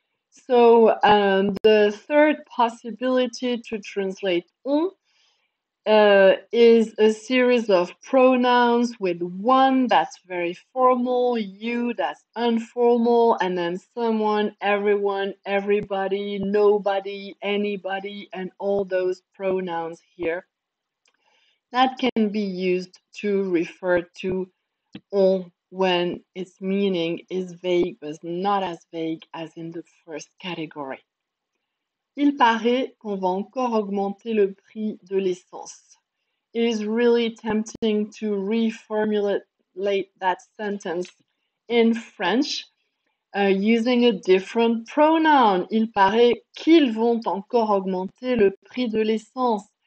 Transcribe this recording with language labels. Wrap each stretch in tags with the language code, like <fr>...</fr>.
<en>So the third possibility to translate on is a series of pronouns with one that's very formal, you that's informal, and then someone, everyone, everybody, nobody, anybody, and all those pronouns here that can be used to refer to on when its meaning is vague, but not as vague as in the first category.</en> <fr>Il paraît qu'on va encore augmenter le prix de l'essence.</fr> <en>It is really tempting to reformulate that sentence in French, using a different pronoun.</en> <fr>Il paraît qu'ils vont encore augmenter le prix de l'essence.</fr>